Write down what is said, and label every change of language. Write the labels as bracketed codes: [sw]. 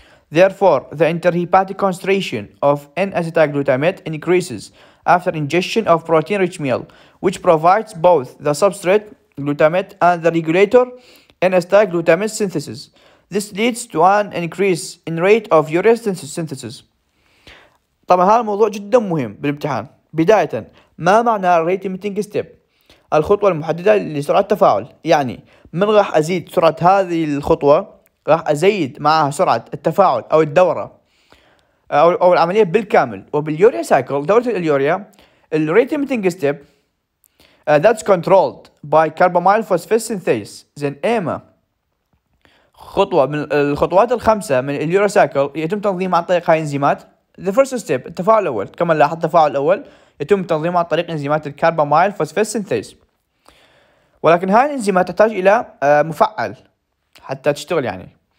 [en] Therefore, the interhepatic concentration of N-acetyl glutamate increases after ingestion of protein-rich meal, which provides both the substrate glutamate and the regulator N-acetyl glutamate synthesis. This leads to an increase in rate of urea synthesis. [ar] طبعا هذا الموضوع جدا مهم بالامتحان. بداية ما معنى rate limiting step؟ الخطوة المحددة لسرعة التفاعل. يعني من راح أزيد سرعة هذه الخطوة راح أزيد معها سرعة التفاعل أو الدورة أو العملية بالكامل. وباليوريا سايكل دورة اليوريا ال [en] rate limiting step that's controlled by carbamyl phosphate synthase. [ar] Then EMA خطوة من الخطوات الخمسة من اليوريا سايكل يتم تنظيم عن طريق هاي انزيمات. [en] The first step [ar] التفاعل الأول كما لاحظ التفاعل الأول يتم تنظيمه عن طريق انزيمات الكربامايل فوسفيت سينثيز. ولكن هاي الانزيمات تحتاج إلى مفعل حتى تشتغل يعني.